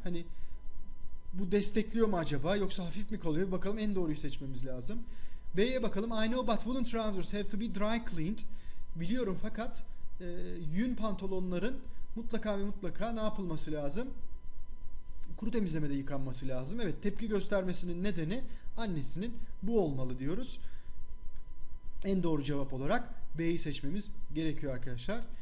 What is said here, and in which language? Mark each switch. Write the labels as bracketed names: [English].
[Turkish] Hani bu destekliyor mu acaba yoksa hafif mi kalıyor? Bakalım en doğruyu seçmemiz lazım. B'ye bakalım. [English] I know but woolen trousers have to be dry cleaned. [Turkish] Biliyorum fakat yün pantolonların mutlaka ve mutlaka ne yapılması lazım? Kuru temizlemede yıkanması lazım. Evet, tepki göstermesinin nedeni annesinin bu olmalı diyoruz. En doğru cevap olarak B'yi seçmemiz gerekiyor arkadaşlar.